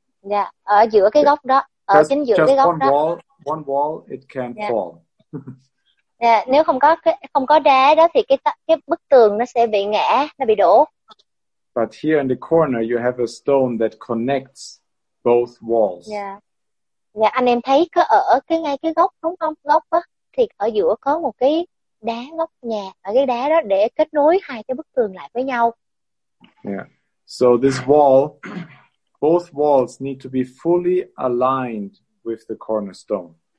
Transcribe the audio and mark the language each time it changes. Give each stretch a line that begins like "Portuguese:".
Vietnamese: Yeah, ở giữa cái góc đó, ở chính giữa cái góc đó.
English: One wall it can fall.
Vietnamese: Yeah, nếu không có đá đó thì cái bức tường nó sẽ bị ngã, nó bị đổ.
English: But here in the corner you have a stone that connects both walls. Yeah.
Vietnamese: Yeah, anh em thấy có ở cái ngay cái góc đúng không? Góc á thì ở giữa có một cái đá góc nhà, ở cái đá đó để kết nối hai cái bức tường lại với nhau. Yeah.
English: So this wall, both walls need to be fully aligned with the cornerstone.